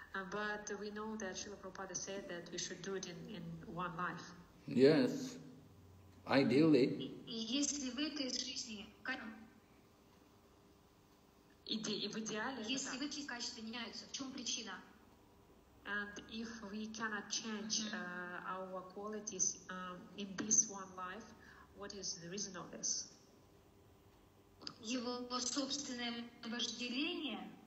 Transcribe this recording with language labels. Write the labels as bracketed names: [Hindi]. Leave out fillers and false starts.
[English] But we know that Srila Prabhupada said that we should do it in one life. Yes, ideally. [Russian] Если эти качества не меняются, в чем причина? [English] And if we cannot change our qualities in this one life, what is the reason of this? [Russian] Его собственное вожделение.